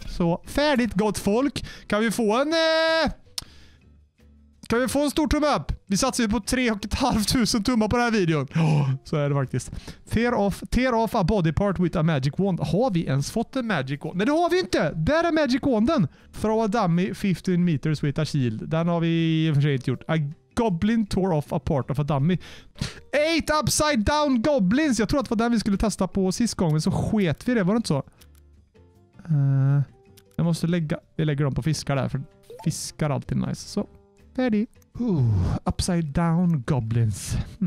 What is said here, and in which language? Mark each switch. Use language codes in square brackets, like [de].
[sv] Så, färdigt gott folk. Kan vi få en... Kan vi få en stor tumme upp? Vi satsar ju på 3,500 tummar på den här videon. [en] Oh, [sv] så är det faktiskt. [en] Tear off a body part with a magic wand. [sv] Har vi ens fått en magic wand? Nej, det har vi inte. Där är magic wanden. [en] Throw a dummy 15 meters with a shield. [sv] Den har vi i och för sig inte gjort. [en] A goblin tore off a part of a dummy. [sv] 8 [en] upside down goblins. [sv] Jag tror att det var den vi skulle testa på sist gången. Så sket vi det. Var det inte så? Jag måste lägga... Vi lägger dem på fiskar där. För fiskar alltid nice. Så. Färdig. [en] Upside down goblins.